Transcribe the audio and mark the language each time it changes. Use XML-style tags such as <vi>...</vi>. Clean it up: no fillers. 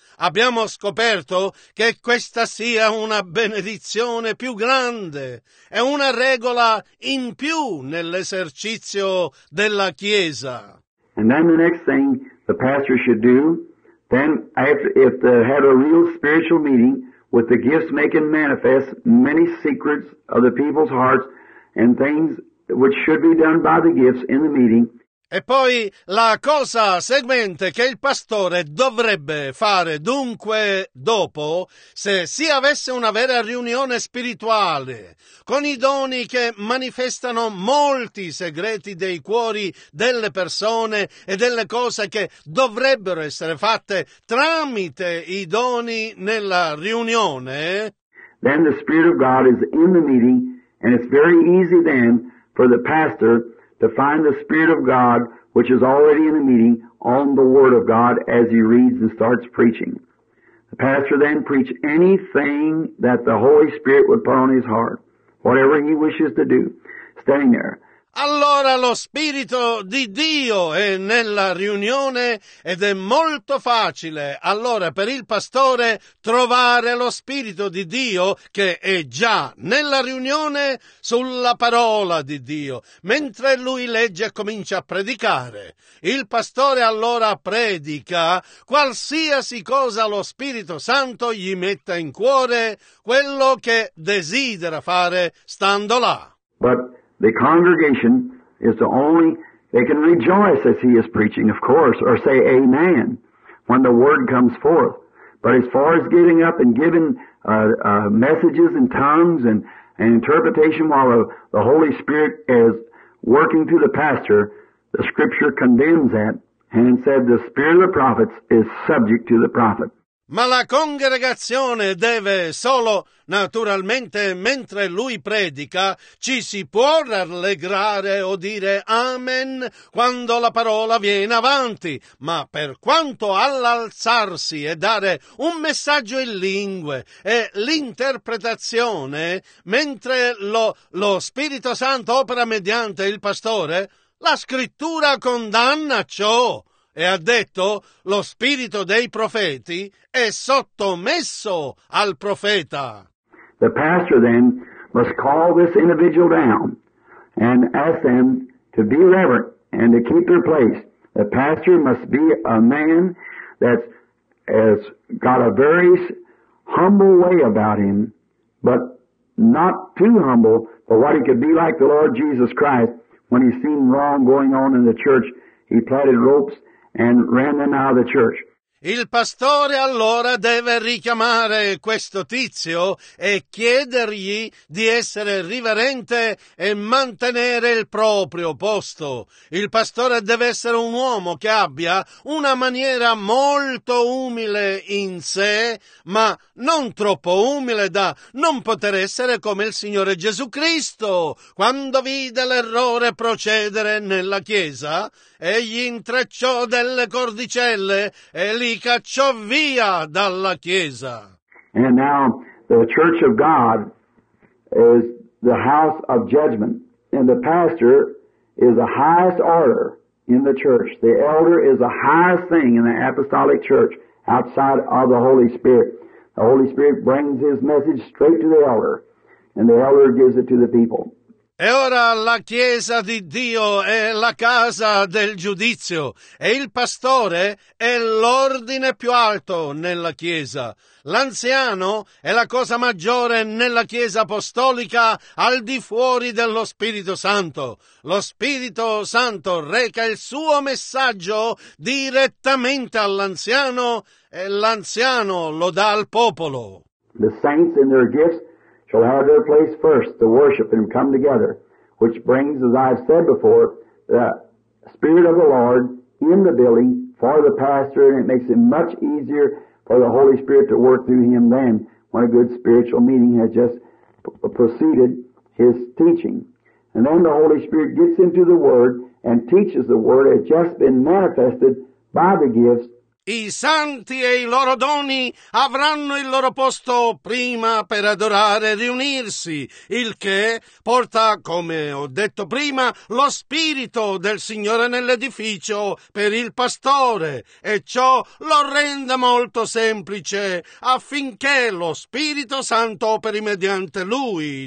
<it>abbiamo scoperto che questa sia una benedizione più grande, è una regola in più nell'esercizio della Chiesa.</it> <en>And then the next thing the pastor should do, then after, if they had a real spiritual meeting with the gifts making manifest many secrets of the people's hearts and things which should be done by the gifts in the meeting.</en> <it>E poi la cosa seguente che il pastore dovrebbe fare dunque dopo, se si avesse una vera riunione spirituale con i doni che manifestano molti segreti dei cuori delle persone e delle cose che dovrebbero essere fatte tramite i doni nella riunione,</it> <en>then the Spirit of God is in the meeting and it's very easy then for the pastor to find the Spirit of God, which is already in the meeting, on the Word of God as he reads and starts preaching. The pastor then preached anything that the Holy Spirit would put on his heart, whatever he wishes to do, standing there.</en> <it>Allora lo Spirito di Dio è nella riunione ed è molto facile allora per il pastore trovare lo Spirito di Dio che è già nella riunione sulla parola di Dio. Mentre lui legge e comincia a predicare, il pastore allora predica qualsiasi cosa lo Spirito Santo gli metta in cuore, quello che desidera fare stando là.</it> <en>The congregation is the only, they can rejoice as he is preaching, of course, or say amen when the word comes forth. But as far as getting up and giving messages and tongues and interpretation while the Holy Spirit is working through the pastor, the scripture condemns that and said the spirit of the prophets is subject to the prophet.</en> <it>Ma la congregazione deve solo, naturalmente, mentre lui predica, ci si può rallegrare o dire amen quando la parola viene avanti, ma per quanto all'alzarsi e dare un messaggio in lingue e l'interpretazione, mentre lo Spirito Santo opera mediante il pastore, la scrittura condanna ciò. E ha detto, lo spirito dei profeti è sottomesso al profeta.</it> <en>The pastor then must call this individual down and ask them to be reverent and to keep their place. The pastor must be a man that has got a very humble way about him, but not too humble for what he could be like the Lord Jesus Christ when he's seen wrong going on in the church. He plaited ropes and ran them out of the church.</en> <it>Il pastore allora deve richiamare questo tizio e chiedergli di essere riverente e mantenere il proprio posto. Il pastore deve essere un uomo che abbia una maniera molto umile in sé, ma non troppo umile da non poter essere come il Signore Gesù Cristo. Quando vide l'errore procedere nella chiesa, egli intrecciò delle cordicelle e li cacciò via dalla chiesa.</it> <en>And now the church of God is the house of judgment, and the pastor is the highest order in the church. The elder is the highest thing in the apostolic church outside of the Holy Spirit. The Holy Spirit brings his message straight to the elder, and the elder gives it to the people.</en> <it>E ora la Chiesa di Dio è la casa del giudizio e il pastore è l'ordine più alto nella Chiesa. L'anziano è la cosa maggiore nella Chiesa apostolica al di fuori dello Spirito Santo. Lo Spirito Santo reca il suo messaggio direttamente all'anziano e l'anziano lo dà al popolo.</it> <en>The saints and their gifts shall have their place first to worship and come together, which brings, as I've said before, the Spirit of the Lord in the building for the pastor, and it makes it much easier for the Holy Spirit to work through him then when a good spiritual meeting has just preceded his teaching. And then the Holy Spirit gets into the Word and teaches the Word as just been manifested by the gifts</en> <it>I santi e i loro doni avranno il loro posto prima per adorare e riunirsi, il che porta, come ho detto prima, lo spirito del Signore nell'edificio per il pastore, e ciò lo rende molto semplice, affinché lo Spirito Santo operi mediante lui.</it>